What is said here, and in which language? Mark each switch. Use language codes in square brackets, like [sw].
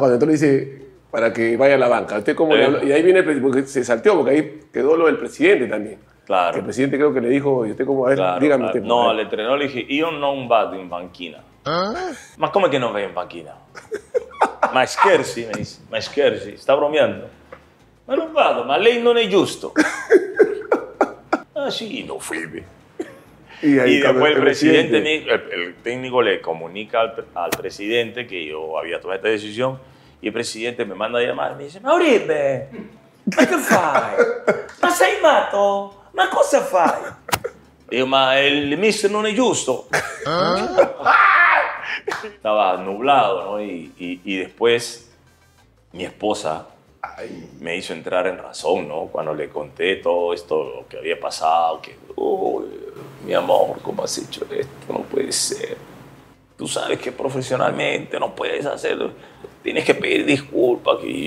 [es] Cuando usted le dice, para que vaya a la banca, ¿usted cómo le habló? Y ahí viene, porque se salteó, porque ahí quedó lo del presidente también. Claro. El presidente creo que le dijo, ¿y usted cómo? A ver, claro, dígame usted. No, al entrenador le dije, [it] io non vado in banchina. [es] ¿Ah? ¿Más cómo es que no vaya en banquina? [it] Ma scherzi, [es] me dice, [it] ma scherzi, [es] está bromeando. [it] Ma non vado, ma lei non è giusto. [es] Ah, sí, no fui, ve. Y después el presidente, el técnico le comunica al presidente que yo había tomado esta decisión y el presidente me manda a llamar y me dice, [it] ma Uribe, ma che fai? Ma sei matto? Ma cosa fai? [es] Digo, [it] ma el mister non è giusto. [es] ¿Ah? Estaba nublado, ¿no? Y después mi esposa me hizo entrar en razón, ¿no? Cuando le conté todo esto, lo que había pasado, que... mi amor, ¿cómo has hecho esto? No puede ser. Tú sabes que profesionalmente no puedes hacerlo. Tienes que pedir disculpas.